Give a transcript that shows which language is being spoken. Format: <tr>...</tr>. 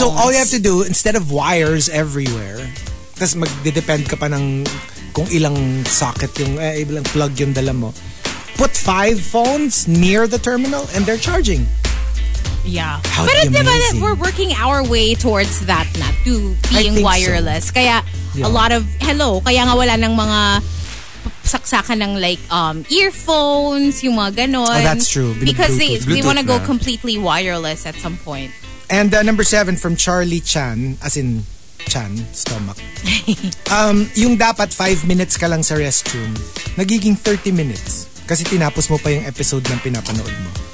<en>So all you have to do, instead of wires everywhere,</en> <tl>tas magdidepend ka pa ng kung ilang socket yung, ilang plug yung dala mo,</tl> <en>put 5 phones near the terminal and they're charging. Yeah. How amazing. But we're working our way towards that na, to being wireless. So.</en> <tl>Kaya</tl> <en>a lot of, hello,</en> <tl>kaya nga wala ng mga saksakan ng like earphones, yung mga ganon.</tl> <en>Oh, that's true. Because they want to go completely wireless at some point. And number 7 from Charlie Chan, as in Chan, stomach.</en> <tl>Yung dapat 5 minutes ka lang sa restroom, nagiging 30 minutes. Kasi tinapos mo pa yung episode ng pinapanood mo.</tl>